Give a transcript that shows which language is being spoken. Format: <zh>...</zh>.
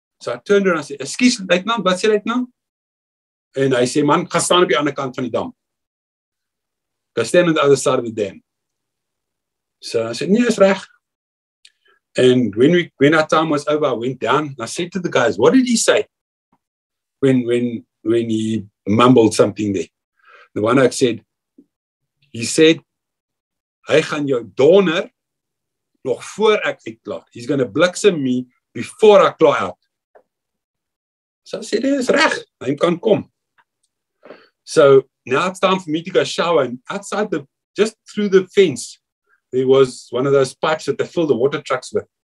<en>So I turned around and said, "Excuse me, right now, what's it right now?" And I said, "Man, go stand on the other side of the dam. Go stand on the other side of the dam." So I said, "Yes, right." And when our time was over, I went down and I said to the guys, "What did he say when he mumbled something there?" The one I said, he said,</en> <af>"Hy gaan jou donder nog voor ek uitklaar.</af> <en>He's going to bliksem me before I klaar out." So I said,</en> <af>"Is reg, hy kan kom."</af> <en>So now it's time for me to go shower. And outside the, just through the fence, there was one of those pipes that they fill the water trucks with.</en>